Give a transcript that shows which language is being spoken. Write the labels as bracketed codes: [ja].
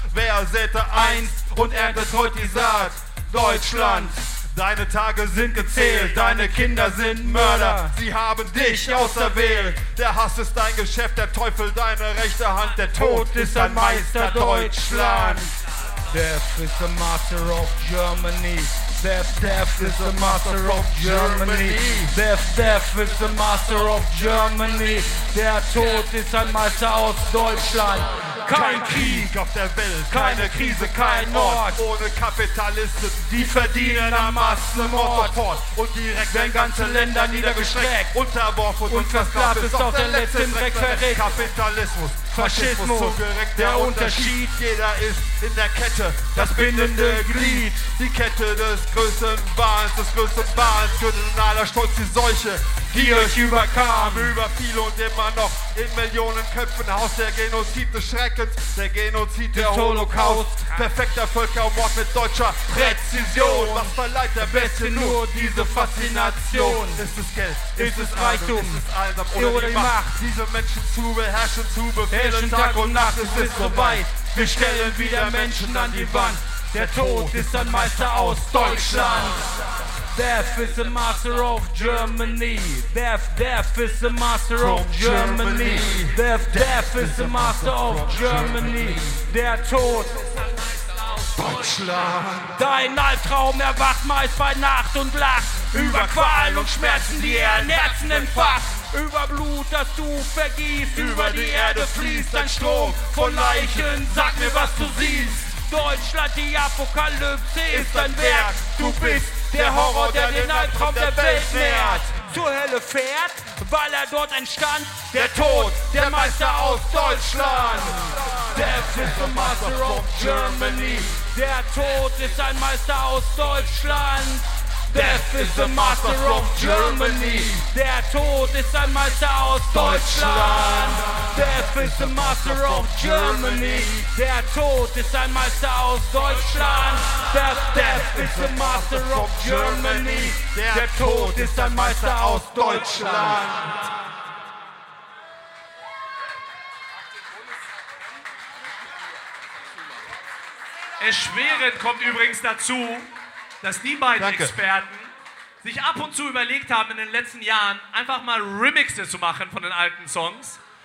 [de] Wer säte einst und erntet heute die Saat? Deutschland, deine Tage sind gezählt. Deine Kinder sind Mörder, sie haben dich auserwählt. Der Hass ist dein Geschäft, der Teufel deine rechte Hand. Der Tod ist ein Meister, Deutschland. [en] Death is the master of Germany. Death is the master of Germany. Death is the master of Germany. [de] Der Tod ist ein Meister aus Deutschland. Kein Krieg auf der Welt, keine Krise, kein Ort ohne Kapitalisten, die verdienen am Massenmord. Sofort und direkt werden ganze Länder niedergeschreckt. Unterworfen und versklavt ist auch der letzte Dreck verreckt. Kapitalismus, Faschismus, so gerecht der Unterschied. Jeder ist in der Kette das bindende Glied. Die Kette des größten Wahns, des größten Wahns, für den aller Stolz die Seuche, die euch überkam. Über viele und immer noch in Millionen Köpfen aus der Genozid des Schreckens, der Genozid des der Holocaust. Perfekter Völkermord mit deutscher Präzision. Was verleiht der Beste nur diese Faszination? Ist es Geld? Ist es Reichtum? Ist es Einsam oder die Macht? Diese Menschen zu beherrschen, zu befehlen, Tag und Nacht. Es ist soweit, wir stellen wieder Menschen an die Wand. Der Tod ist ein Meister aus Deutschland. [en] Death is the master of Germany. Death is the master of Germany. Death is the master of Germany. [de] Der Tod ist ein Meister aus Deutschland. Dein Albtraum erwacht meist bei Nacht und lacht über Qual und Schmerzen, die ihren Herzen entfacht. Über Blut, das du vergießt, über die Erde fließt ein Strom von Leichen. Sag mir, was du siehst. Deutschland, die Apokalypse ist dein Werk. Du bist der Horror, der den Albtraum der Welt nährt. Zur Hölle fährt, weil er dort entstand. Der Tod, der Meister aus Deutschland. [en] Death is the master of Germany. [de] Der Tod ist ein Meister aus Deutschland. [en] Death is the master of Germany. [de] Der Tod ist ein Meister aus Deutschland. [en] Death is the master of Germany. [de] Der Tod ist ein Meister aus Deutschland. [en] Death is the master of Germany. [de] Der Tod ist ein Meister aus Deutschland. Erschwerend kommt übrigens dazu, dass die beiden Danke. Experten sich ab und zu überlegt haben, in den letzten Jahren einfach mal Remixe zu machen von den alten Songs.